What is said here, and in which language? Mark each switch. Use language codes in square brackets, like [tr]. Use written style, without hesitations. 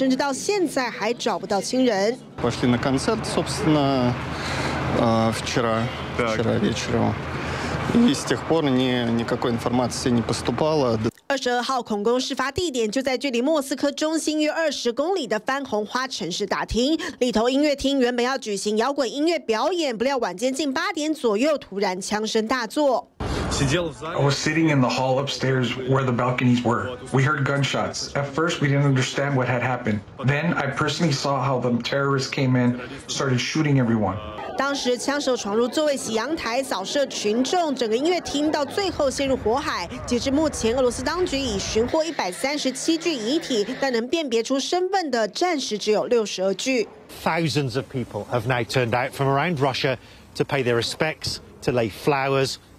[zh] 因为这可是俄罗斯十多年来最致命的一起恐攻，许多家属甚至到现在还找不到亲人。 [ru] Пошли на концерт, собственно, вчера вечером. И с тех пор никакой информации не поступало. [zh] 22号恐攻事发地点就在距离莫斯科中心约20公里的番红花城市大厅，里头音乐厅原本要举行摇滚音乐表演，不料晚间近8点左右突然枪声大作。 [en] I was sitting in the hall upstairs where the balconies were. We heard gunshots. At first, we didn't understand what had happened. Then I personally saw how the terrorists came in, started shooting everyone. [zh] 当时枪手闯入座位席阳台，扫射群众，整个音乐厅到最后陷入火海。截至目前，俄罗斯当局已寻获137具遗体，但能辨别出身份的暂时只有62具。 [en] Thousands of people have now turned out from around Russia to pay their respects, to lay flowers.